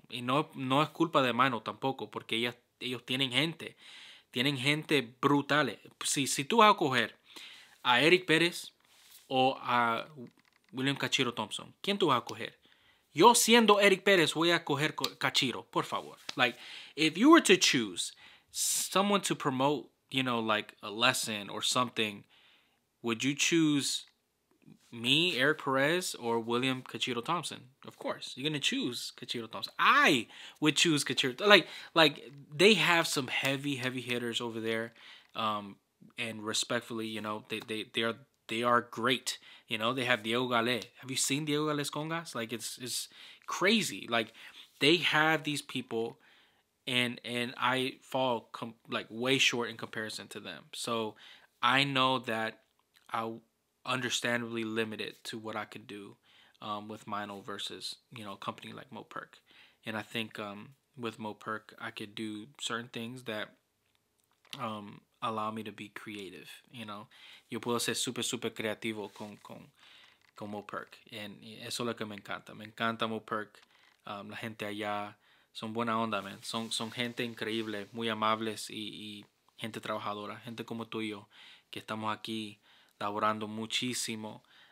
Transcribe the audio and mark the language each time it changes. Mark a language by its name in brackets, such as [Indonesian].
[Spanish] Y no es culpa de Meinl tampoco, porque ellos tienen gente brutal. Si tú vas a coger a Eric Pérez o a William Cachiro Thompson, ¿quién tú vas a coger? Yo siendo Eric Pérez voy a coger Cachiro, por favor. [English] Like, if you were to choose someone to promote, you know, like a lesson or something, would you choose me, Eric Perez, or William Cachiro Thompson? Of course, you're gonna choose Cachiro Thompson. I would choose Cachiro. Like they have some heavy hitters over there, and respectfully, you know, they are great. You know, they have Diego Gale. Have you seen Diego Gale's Congas? Like it's crazy. Like they have these people. And I fall way short in comparison to them. So I know that I'm understandably limited to what I could do with Meinl versus, you know, a company like Moperk. And I think with Moperk, I could do certain things that allow me to be creative, you know. [Spanish] Yo puedo ser super, super creativo con Moperk. And eso es lo que me encanta. Me encanta Moperk, la gente allá. Son buena onda, man. Son gente increíble, muy amables y gente trabajadora. Gente como tú y yo, que estamos aquí laborando muchísimo.